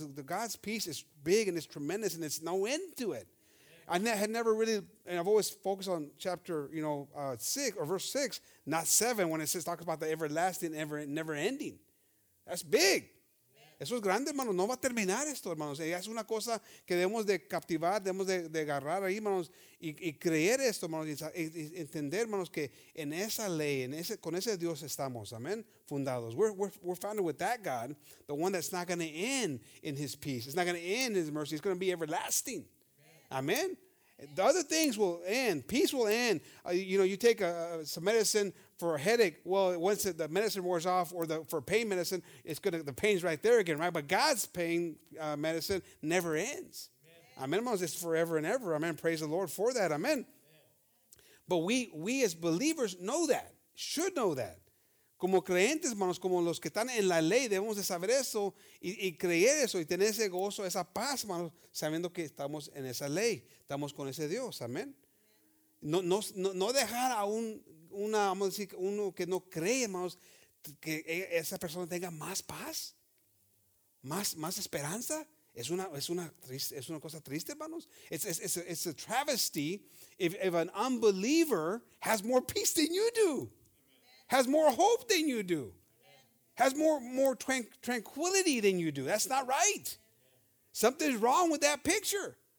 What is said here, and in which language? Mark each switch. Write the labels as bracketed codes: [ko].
[en] God's peace is big and it's tremendous and it's no end to it. I've always focused on chapter, you know, 6 or verse 6, not 7, when it says, talk about the everlasting, never ending. That's big. [es] Eso es grande, hermanos. No va a terminar esto, hermanos. Es una cosa que debemos de captivar, debemos de agarrar ahí, hermanos, y creer esto, hermanos, y entender, hermanos, que en esa ley, en ese, con ese Dios estamos, amén, fundados. [en] We're founded with that God, the one that's not going to end in his peace. It's not going to end in his mercy. It's going to be everlasting. Amén. The other things will end. Peace will end. You know, you take some medicine for a headache. Well, once the medicine wears off, or the for pain medicine, it's gonna, the pain's right there again, right? But God's pain medicine never ends. Amen. Amen. It's forever and ever. Amen. Praise the Lord for that. Amen. Amen. But we as believers know that, should know that. [es] Como creyentes, hermanos, como los que están en la ley, debemos de saber eso y creer eso y tener ese gozo, esa paz, hermanos, sabiendo que estamos en esa ley, estamos con ese Dios, amén. No dejar a una, vamos a decir, uno que no cree, hermanos, que esa persona tenga más paz, más esperanza. Es una cosa triste, hermanos. [en] It's a travesty if an unbeliever has more peace than you do. Has more hope than you do. Amen. Has more tranquility than you do. That's not right. Something's wrong with that picture.